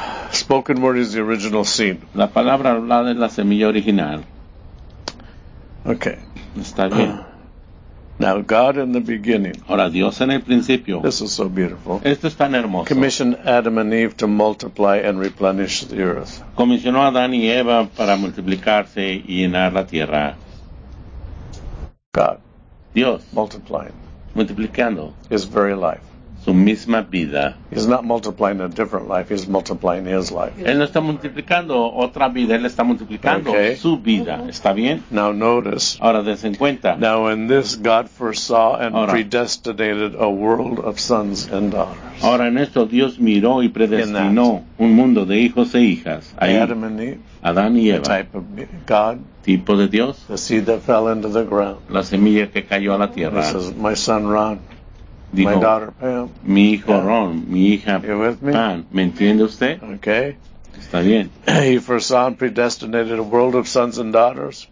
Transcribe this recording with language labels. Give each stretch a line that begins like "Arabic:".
English: Spoken word is the original seed.
Spanish: La palabra hablada es la semilla original.
English: Okay.
Spanish: Está bien.
English: Now God in the beginning.
Spanish: Ahora Dios en el principio.
English: This is so beautiful.
Spanish: Esto es tan hermoso.
English: Commissioned Adam and Eve to multiply and replenish the earth.
Spanish: Comisionó a Adán y Eva para multiplicarse y llenar la tierra.
English: God.
Spanish: Dios.
English: Multiplying.
Spanish: Multiplicando.
English: His very life.
Spanish: Su misma vida.
English: He's not multiplying a different life. He's multiplying his life.
Spanish: Él no está multiplicando otra vida. Él está multiplicando
English: okay
Spanish: su vida. ¿Está bien?
English: Now notice.
Spanish: Ahora dense en cuenta.
English: Now in this God foresaw and ahora predestinated a world of sons and daughters.
Spanish: Ahora en esto Dios miró y predestinó un mundo de hijos e hijas. Ahí,
English: Adam and Eve.
Spanish: Adán y Eva.
English: Type of God.
Spanish: Tipo de Dios.
English: The seed that fell into the ground.
Spanish: La semilla que cayó a la tierra.
English: This is my son Ron.
Spanish: Dijo,
English: my daughter Pam.
Spanish: Mi hijo Ron, mi hija Pam, ¿me entiende usted?
English: Okay.
Spanish: Está bien.
English: He foresaw and predestinated a world of sons and daughters.